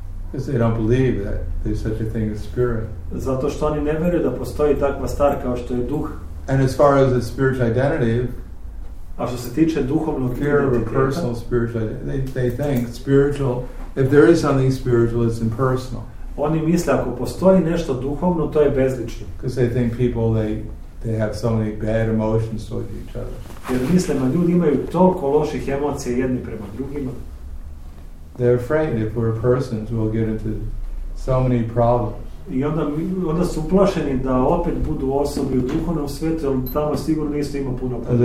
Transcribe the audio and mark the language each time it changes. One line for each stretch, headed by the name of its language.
English: Because they don't believe that there's such a thing as spirit.
Serbian: Zato što oni ne vjeruju da postoji takva stvar kao što je duh.
English: And as far as the spiritual identity,
Serbian: a što se tiče duhovnog identiteta,
English: they think spiritual, if there is something spiritual, it's impersonal.
Serbian: Oni misle ako postoji nešto duhovno, to je bezlično.
English: Because they think people they have so many bad emotions towards each other.
Serbian: Jer misle da ljudi imaju toliko loših emocija jedni prema drugima.
English: They're afraid if we're persons we'll get into so many problems.
Serbian: I onda su uplašeni da opet budu osobi u duhovnom svijetu, jer tamo sigurno isto ima puno problema.